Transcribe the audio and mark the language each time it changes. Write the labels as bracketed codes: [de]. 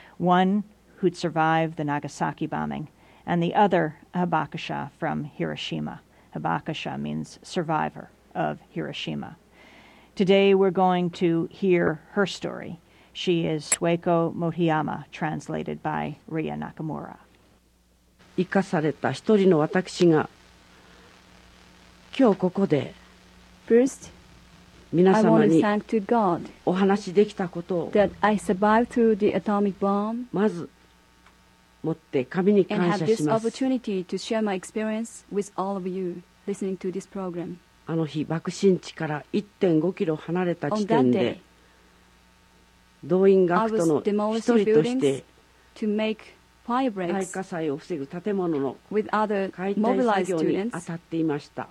[en] One who'd survived the Nagasaki bombing, and the other, Hibakusha from Hiroshima. Hibakusha means survivor of Hiroshima. Today, we're going to hear her story. She is Sueko Motoyama, translated by Ria Nakamura. [ja] 生かされた一人の私が、今日ここで、 [en] First, [ja] 皆様に [en] I want to thank to God [ja] お話しできたことを、 [en] that I survived through the atomic bomb. [ja] まず、持って神に感謝します。 [en] And have this opportunity to share my experience with all of you listening to this program. [ja] あの日爆心地から 1.5 キロ離れた地点で、動員学徒の一人として、 [en] to make fire breaks [ja] 大火災を防ぐ建物の解体作業に当たっていました。